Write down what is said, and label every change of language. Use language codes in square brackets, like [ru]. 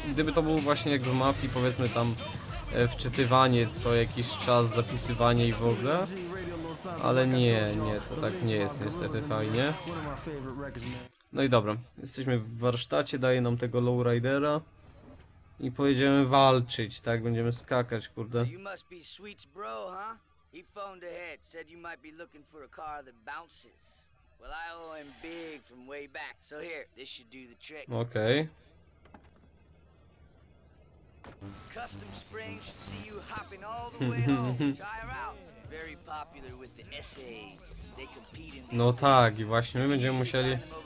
[pl] Gdyby to było właśnie jak w Mafii, powiedzmy tam wczytywanie co jakiś czas, zapisywanie i w ogóle. Ale nie, nie, to tak nie jest niestety fajnie. No i dobra, jesteśmy w warsztacie, daje nam tego lowridera i pojedziemy walczyć, tak? Będziemy skakać, kurde. [en] You must be Sweet's bro, huh? He phoned ahead, said you might be looking for a car that bounces. Well, I owe him big from way back, so here, this should do the trick. Okay. Custom Spring should see you hopping all the way home. Very popular with the SAs. They compete in. [pl] No tak, i właśnie my będziemy musieli.